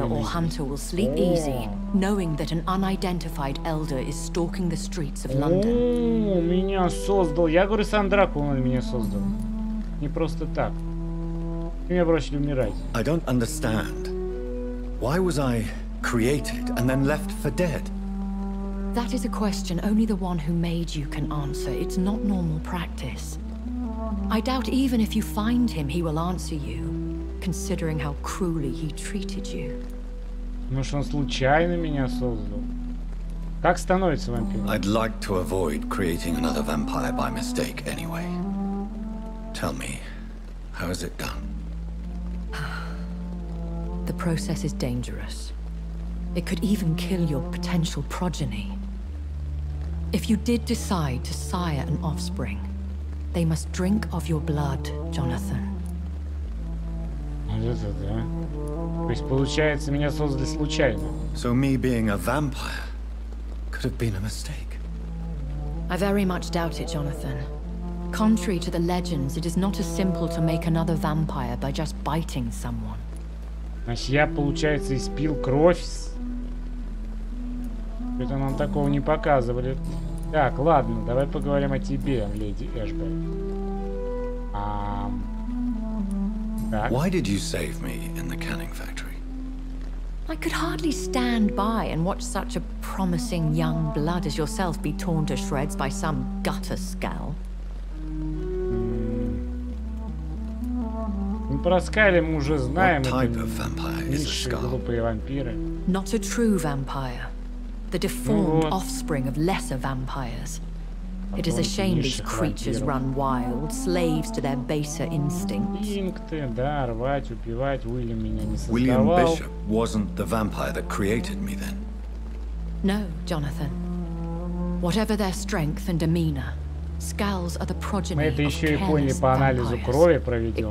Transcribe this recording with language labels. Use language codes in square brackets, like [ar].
[en] No vampire or hunter will sleep easy, knowing that an unidentified elder is stalking the streets of London. [ru] О, меня создал. Я говорю, сам Дракон меня создал. Не просто так. Меня бросили умирать. [en] I don't understand. Why was I created and then left for dead? That is a question only the one who made you can answer. It's not normal practice. I doubt even if you find him, he will answer you, considering how cruelly he treated you. [ru] Может, он случайно меня создал? Как становится вампиром? [en] I'd like to avoid creating another vampire by mistake anyway. Tell me, how is it done? The process is dangerous. It could even kill your potential progeny. If you did decide to sire an offspring, they must drink of your blood, Jonathan. [ru] Вот это, да? То есть, получается, меня создали случайно. [en] So me being a vampire could have been a mistake. I very much doubt it, Jonathan. Contrary to the legends, it is not as simple to make another vampire by just biting someone. [ru] Значит, я, получается, испил кровь. Это нам такого не показывали. Так, ладно, давай поговорим о тебе, леди Эшберт. Так. [en] Why did you save me in the canning factory? I could hardly stand by and watch such a promising young blood as yourself be torn to shreds by some gutter scowl. [ru] Про Скайли мы уже знаем. Глупые вампиры. [en] Not a true vampire. The deformed offspring of lesser vampires. It is a shame these creatures run wild, slaves to their baser instincts. [ru] Инстинкты, да, рвать, убивать, Уильям меня не создавал. [en] William Bishop wasn't the vampire that created me then. No, Jonathan. Whatever their strength and demeanor, Skulls are the progeny. [ru] Мы это еще и поняли по анализу крови проведенного.